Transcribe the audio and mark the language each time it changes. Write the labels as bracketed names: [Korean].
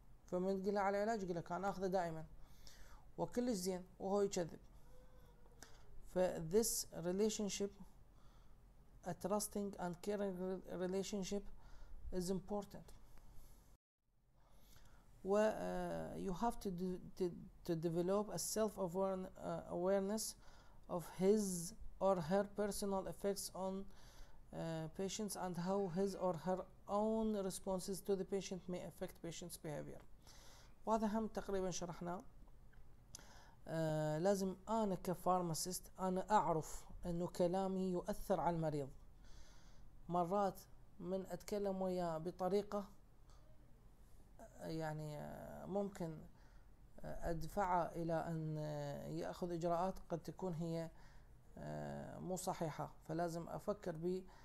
[Arabic] فمن تقلها على العلاج يقول لك انا اخذه دائما وكلش زين، وهو يكذب. [English] ف this relationship, a trusting and caring relationship is important. و you have to develop a self awareness of his or her personal effects on patients and how his or her own responses to the patient may affect patient's behavior. [Arabic] وهذا هم تقريبا شرحناه. لازم انا كفارماسيست انا اعرف انه كلامي يؤثر على المريض. مرات من اتكلم وياه بطريقة يعني ممكن ادفعه الى ان ياخذ اجراءات قد تكون هي مو صحيحة، فلازم افكر ب